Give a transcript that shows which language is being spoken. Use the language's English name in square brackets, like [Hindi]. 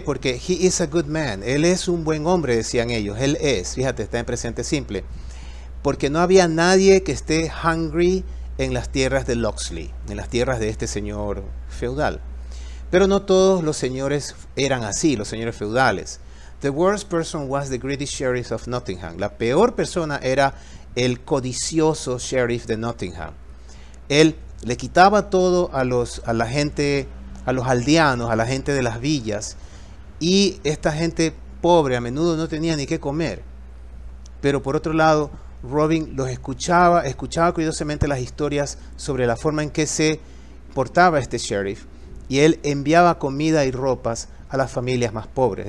[Spanish] Porque [English] he is a good man, [Spanish] él es un buen hombre, decían ellos, él es, fíjate, está en presente simple. Porque no había nadie que esté hungry en las tierras de Locksley, en las tierras de este señor feudal. Pero no todos los señores eran así, los señores feudales. [English] The worst person was the greedy sheriff of Nottingham. [Spanish] La peor persona era el codicioso sheriff de Nottingham. Él le quitaba todo a los aldeanos, a la gente de las villas, y esta gente pobre a menudo no tenía ni qué comer. Pero por otro lado, Robin los escuchaba cuidadosamente las historias sobre la forma en que se portaba este sheriff, y él enviaba comida y ropas a las familias más pobres.